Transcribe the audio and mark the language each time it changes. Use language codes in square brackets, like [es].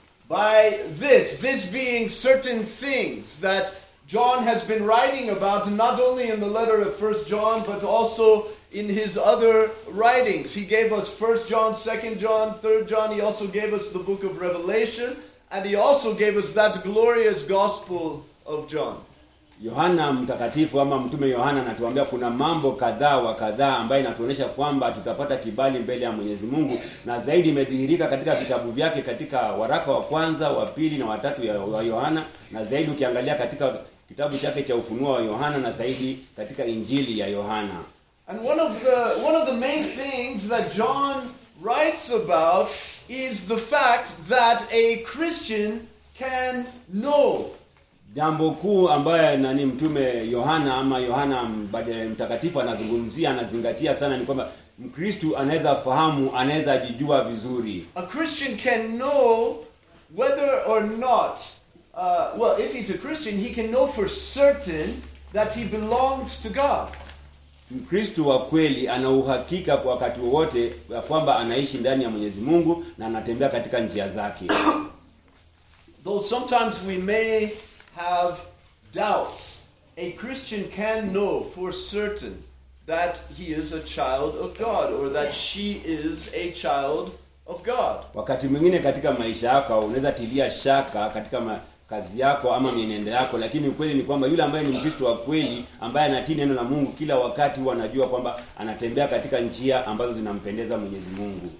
[en] By this being certain things that John has been writing about, not only in the letter of 1 John, but also in his other writings. He gave us 1 John, 2 John, 3 John. He also gave us the book of Revelation. And he also gave us that glorious gospel of John. [sw] Yohana mtakatifu ama mtume Yohana natuambia kuna mambo kadhaa wa kadhaa ambayo inatuonesha kwamba tutapata kibali mbele ya Mwenyezi Mungu, na zaidi imedhihirika katika vitabu vyake, katika waraka wa kwanza, wa pili na wa tatu ya Yohana, na zaidi ukiangalia katika kitabu chake cha Ufunuo wa Yohana, na zaidi katika Injili ya Yohana. [en] And one of the main things that John writes about is the fact that a Christian can know. [sw] Jambo kuu ambaye nani mtume Yohana ama Yohana mtakatifu anazungumzia, anazingatia sana, ni kwamba Mkristo anaweza fahamu, anaweza jijua vizuri. [en] A Christian can know whether or not, if he's a Christian, he can know for certain that he belongs to God. [sw] Mkristo wa kweli ana uhakika kwa wakati wote ya kwamba anaishi ndani ya Mwenyezi Mungu na anatembea katika njia zake. [en] Though sometimes we may have doubts, a Christian can know for certain that he is a child of God, or that she is a child of God. [sw] Wakati mwingine katika maisha yako unaweza tilia shaka katika kazi yako ama mienendo yako, lakini ukweli ni kwamba yule ambaye ni Mkristo wa kweli, ambaye anatii neno la Mungu kila wakati, anajua kwamba anatembea katika njia ambazo zinampendeza Mwenyezi Mungu.